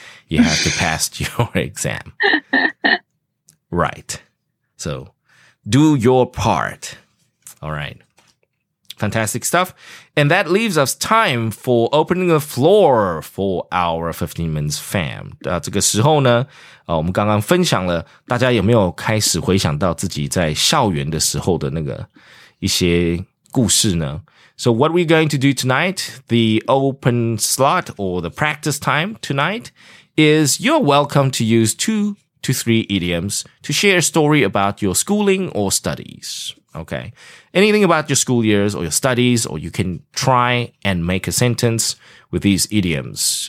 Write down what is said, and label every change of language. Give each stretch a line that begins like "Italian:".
English: You have to pass your exam. Right. So do your part. All right. Fantastic stuff. And that leaves us time for opening the floor for our 15 minutes fam.
Chinese: 这个时候呢，我们刚刚分享了，大家有没有开始回想到自己在校园的时候的那个一些故事呢？
English: So what are we going to do tonight? The open slot or the practice time tonight is you're welcome to use 2 to 3 idioms to share a story about your schooling or studies. Okay. Anything about your school years or your studies, or you can try and make a sentence with these idioms.